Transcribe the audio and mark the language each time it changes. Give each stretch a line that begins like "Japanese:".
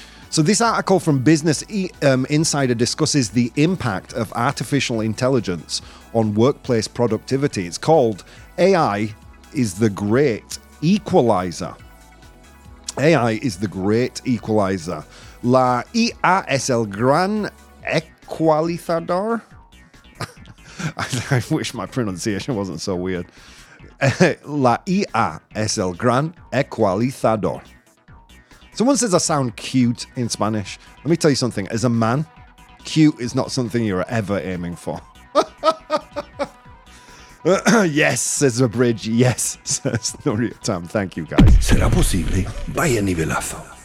English: So this article from Business Insider discusses the impact of artificial intelligence on workplace productivity. It's called AI is the Great Equalizer. AI is the Great Equalizer.
Spanish: La IA es el gran equalizador.
English: I wish my pronunciation wasn't so weird.
Spanish: La IA es el gran equalizador.
English: Someone says I sound cute in Spanish. Let me tell you something. As a man, cute is not something you're ever aiming for. Yes, says the bridge. Yes, says Nuria Tam. Thank you, guys.
Spanish: Será posible. Vaya nivelazo.